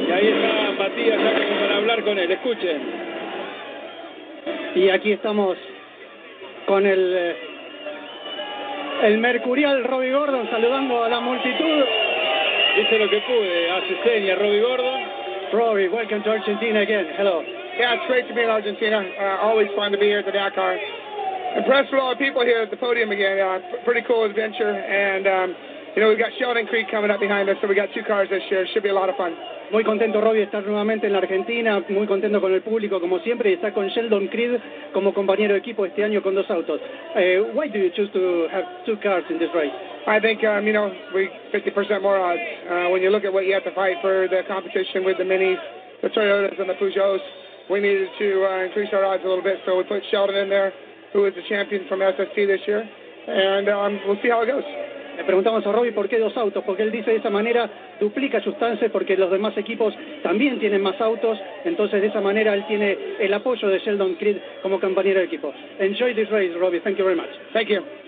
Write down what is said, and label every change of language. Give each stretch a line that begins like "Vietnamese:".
Spanish: Y ahí está Matías ya como para hablar con él, escuchen. Y aquí estamos con el mercurial Robbie Gordon saludando a la multitud. Hice lo que pude, hace seña Robbie Gordon.
English: Robbie, welcome to Argentina again, hello. Yeah, it's great to be in Argentina, always fun to be here at the Dakar. impressed with all the people here at the podium again. Pretty cool adventure. And, you know, we've got Sheldon Creek coming up behind us, so we got two cars this year. Should be a lot of fun.
Spanish: Muy contento, Robbie, de estar nuevamente en la Argentina. Muy contento con el público, como siempre. Y está con Sheldon Creed como compañero de equipo este año con dos autos.
English: Why do you choose to have two cars in this race? I think, you know, we 50% more odds. When you look at what you have to fight for the competition with the Minis, the Toyotas and the Peugeots, we needed to increase our odds a little bit. So we put Sheldon in there, who is the champion from SST this year. And we'll see how it goes.
Spanish: Le preguntamos a Robbie por qué dos autos, porque él dice de esa manera duplica sus chances porque los demás equipos también tienen más autos, entonces de esa manera él tiene el apoyo de Sheldon Creed como compañero de equipo.
English: Enjoy this race, Robbie. Thank you very much. Thank you.